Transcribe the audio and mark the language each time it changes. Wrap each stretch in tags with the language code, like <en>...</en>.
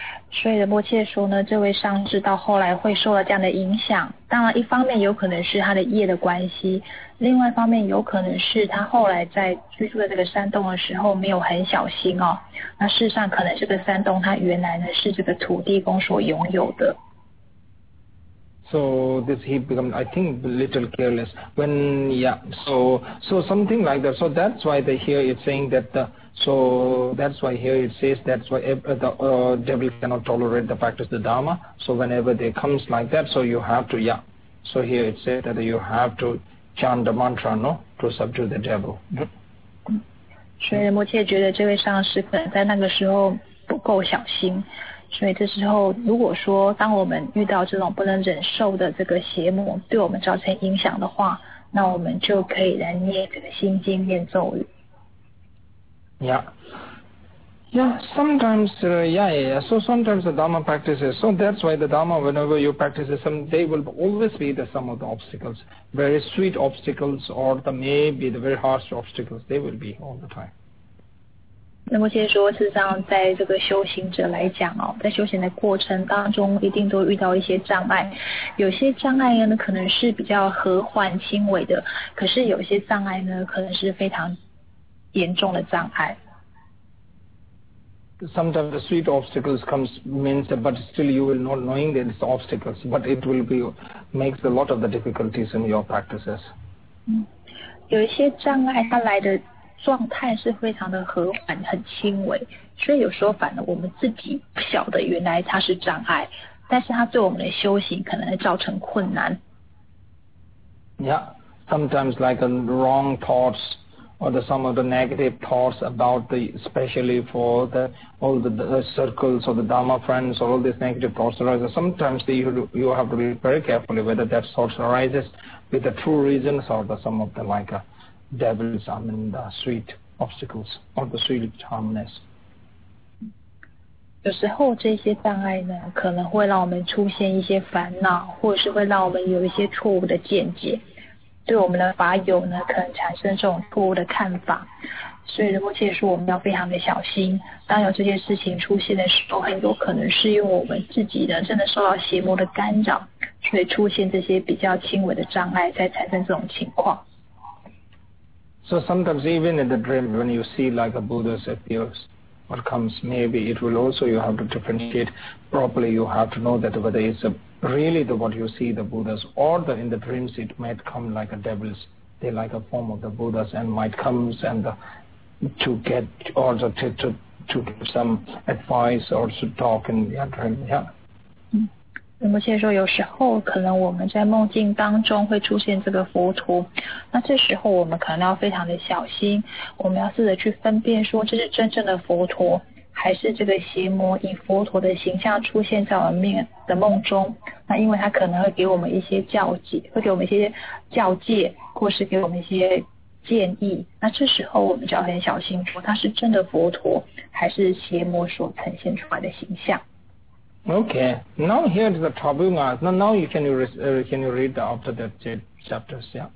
<zh>所以仁波切说呢，这位上师到后来会受了这样的影响。当然，一方面有可能是他的业的关系，另外一方面有可能是他后来在居住的这个山洞的时候没有很小心哦。那事实上，可能这个山洞它原来呢是这个土地公所拥有的。</zh> <en>So this he become, I think, a little careless when yeah. So something like that. So that's why the here it's saying that the. So that's why here it says that's why the devil cannot tolerate the practice of the Dharma. So whenever there comes like that, so you have to, yeah. So here it says that you have to chant the mantra, no? To subdue the devil.</en> <zh>所以仁波切觉得这位上师可能在那个时候不够小心。所以这时候如果说当我们遇到这种不能忍受的这个邪魔对我们造成影响的话，那我们就可以来念这个心经念咒语。</zh> <en>Yeah, sometimes, so sometimes the Dharma practices, so that's why the Dharma, whenever you practice some, they will always be the some of the obstacles, very sweet obstacles or the maybe the very harsh obstacles, they will be all the time.</en> <zh>那么先说，事实上在这个修行者来讲哦，在修行的过程当中一定都遇到一些障碍，有些障碍呢可能是比较和缓轻微的，可是有些障碍呢可能是非常严重的障碍。</zh> <en>Sometimes the sweet obstacles comes means, but still you will not knowing that it's obstacles, but it will be makes a lot of the difficulties in your practices.</en> <zh>有一些障碍，它来的状态是非常的和缓、很轻微，所以有时候反而我们自己不晓得原来它是障碍，但是它对我们的修行可能会造成困难。</zh> <en>Yeah, sometimes like a wrong thoughts. Or the, some of the negative thoughts about the, especially for the, all the circles or the Dharma friends or all these negative thoughts arise. Sometimes you have to be very careful whether that thoughts arises with the true reasons or the, some of the like devils, I mean the sweet obstacles or the sweet harmness.</en> <zh>有时候这些障碍呢可能会让我们出现一些烦恼或者是会让我们有一些错误的见解。对我们的法友呢，可能产生这种错误的看法，所以仁波切说我们要非常的小心。当有这件事情出现的时候，很有可能是因为我们自己呢，真的受到邪魔的干扰，所以出现这些比较轻微的障碍，在产生这种情况。</zh> <en>So sometimes even in the dream, when you see like a Buddha's appears, what comes, maybe it will also you have to differentiate properly. You have to know that whether it's a really the what you see the Buddhas or the in the dreams it might come like a devils they like a form of the Buddhas and might comes and the, to get or the, to give some advice or to talk in the dream yeah</en> <zh>仁波切说有时候可能我们在梦境当中会出现这个佛陀那这时候我们可能要非常的小心我们要试着去分辨说这是真正的佛陀还是这个邪魔以佛陀的形象出现在我们面的梦中那因为他可能会给我们一些教解会给我们一些教戒或是给我们一些建议那这时候我们就要很小心说他是真的佛陀还是邪魔所呈现出来的形象</zh> <en>Okay, now here is the tribunal now you can you read the after that chapters yeah.</en>